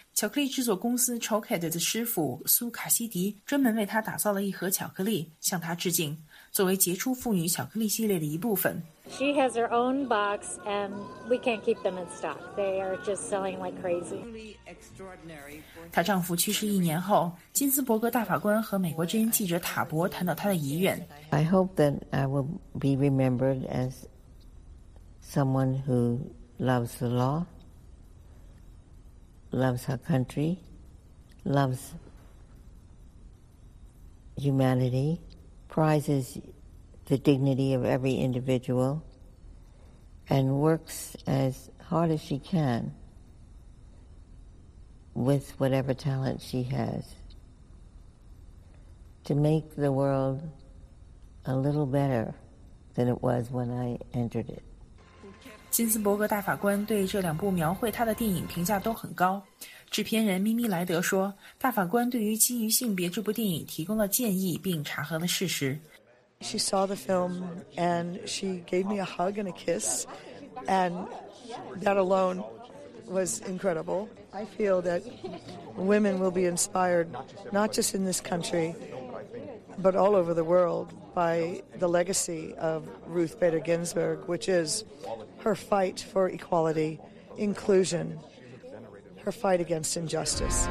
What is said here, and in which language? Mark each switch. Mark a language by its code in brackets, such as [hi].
[zh] 巧克力制作公司 Chocolate 的师傅苏卡西迪专门为他打造了一盒巧克力，向他致敬，作为杰出妇女巧克力系列的一部分。 [en] She has her own box and we can't keep them in stock. They are just selling like crazy. [zh] 她丈夫去世一年后，金斯伯格大法官和美国之音记者塔博谈到她的遗愿。 [en] I hope that I will be remembered as. Someone who loves the law, loves her country, loves humanity, prizes the dignity of every individual, and works as hard as she can with whatever talent she has to make the world a little better than it was when I entered it. [zh] 金斯伯格大法官对这两部描绘他的电影评价都很高。制片人咪咪莱德说，大法官对于基于性别这部电影提供了建议并查核了事实。 [en] She saw the film and she gave me a hug and a kiss and that alone was incredible. I feel that women will be inspired not just in this country but all over the world. By the legacy of Ruth Bader Ginsburg, which is her fight for equality, inclusion, her fight against injustice.